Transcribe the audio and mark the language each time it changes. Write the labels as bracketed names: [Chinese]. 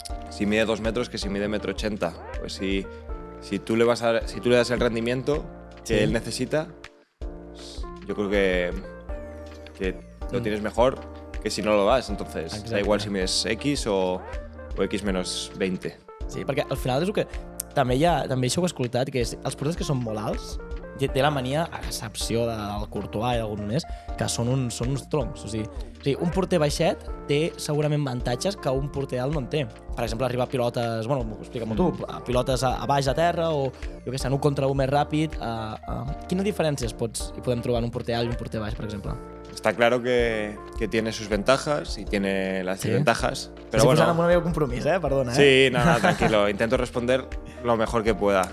[Spanish] Si mide 2 metros, que si mide 1,80 m. Pues sí... Si tú le das el rendimiento que él necesita, pues yo creo que lo tienes mejor que si no lo das. Entonces, da igual si mides X o X menos 20. [Catalan] Sí, perquè al final és el que... També això ho he escoltat, que els porters que són molt alts, té la mania, a excepció del Courtois i d'algun més, que són uns troncs. O sigui, un porter baixet té segurament avantatges que un porter alt no en té. Per exemple, arribar a pilotes, bueno, explica'm-ho tu, a pilotes a baix a terra o, jo què sé, en un contra un més ràpid. Quines diferències hi podem trobar en un porter alt i un porter baix, per exemple? [Spanish] Está claro que tiene sus ventajas y tiene las desventajas. Pero estoy bueno. Es una amiga compromiso, perdona. Sí, nada, tranquilo. Intento responder lo mejor que pueda.